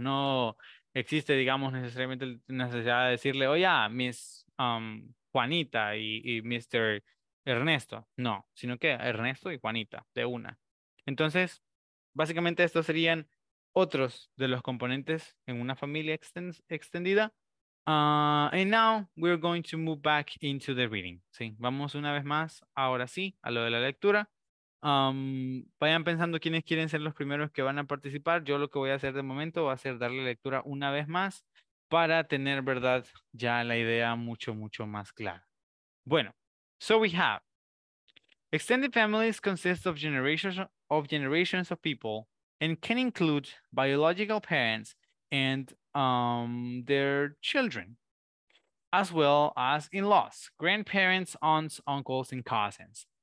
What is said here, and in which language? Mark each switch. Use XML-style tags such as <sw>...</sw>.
<es>No existe, digamos, necesariamente la necesidad de decirle, oye, Miss Juanita y Mr. Ernesto. No, sino que Ernesto y Juanita, de una. Entonces, básicamente estos serían otros de los componentes en una familia extendida.</es> <en>And now we're going to move back into the reading.</en> <es>Sí, vamos una vez más, ahora sí, a lo de la lectura. Vayan pensando quiénes quieren ser los primeros que van a participar. Yo lo que voy a hacer de momento va a ser darle lectura una vez más para tener, verdad, ya la idea mucho, mucho más clara.</es> <en>Bueno, so we have extended families consist of generations of people and can include biological parents and their children, as well as in-laws, grandparents, aunts, uncles, and cousins.</en>